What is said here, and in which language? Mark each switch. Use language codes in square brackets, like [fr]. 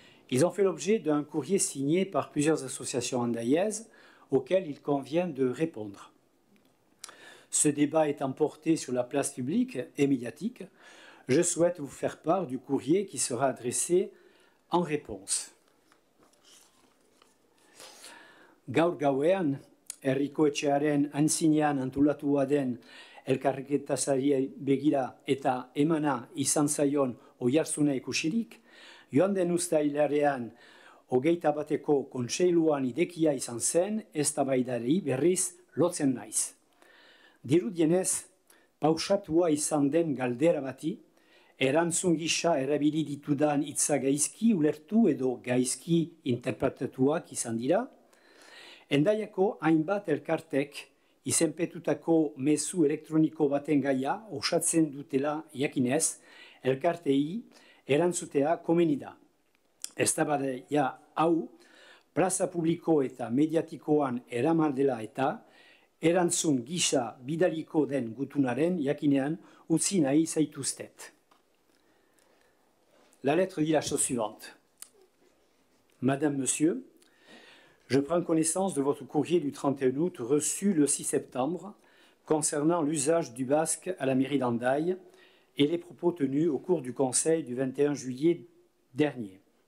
[fr] Ils ont fait l'objet d'un courrier signé par plusieurs associations hendayaises auxquelles il convient de répondre. Ce débat étant porté sur la place publique et médiatique, je souhaite vous faire part du courrier qui sera adressé en réponse. [eu] Gaur gauean, Herriko Etxearen antzinean antolatua den elkarrizketari begira eta emana izan zaion oiartzuna ikusirik, joan den uztailarean 21eko kontseiluan idekia izan zen eztabaidari berriz lotzen naiz. Dirudienez, pausatua izan den galdera bati, erantzun gisa erabili ditudan hitza gaizki ulertu edo gaizki interpretatuak izan dira, Hendaiako hainbat elkartek izenpetutako mezu elektroniko baten gaia osatzen dutela jakinez, elkartei erantzutea komeni da. Eztabaida hau, plaza publiko eta mediatikoan eraman dela eta, erantzun gisa bidaliko den gutunaren jakinean utzi nahi zaituztet. [fr] La lettre dit la chose suivante. Madame, Monsieur, je prends connaissance de votre courrier du 31 août reçu le 6 septembre concernant l'usage du basque à la mairie d'Hendaye et les propos tenus au cours du conseil du 21 juillet dernier.